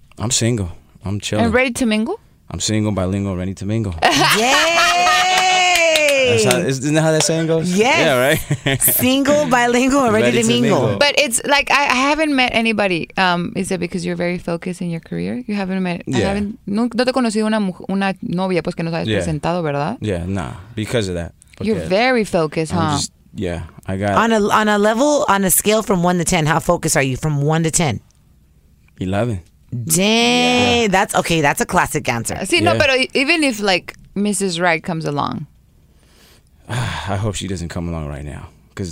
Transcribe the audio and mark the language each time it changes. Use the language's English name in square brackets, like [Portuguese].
[English] I'm single. I'm chilling. And ready to mingle? I'm single, bilingual, ready to mingle. Yay! Isn't that how that saying goes? Yes. Yeah, right? Single, bilingual, ready to mingle. But it's like, I haven't met anybody. Is it because you're very focused in your career? You haven't met... Yeah. I haven't... [Spanish] No te he conocido una novia pues que nos hayas presentado, ¿verdad? [English] Yeah, nah. Because of that. You're very focused, huh? I got... On a level, on a scale from 1 to 10, how focused are you from 1 to 10? 11. Dang. Yeah. That's... Okay, that's a classic answer. But even if like Mrs. Wright comes along... I hope she doesn't come along right now, because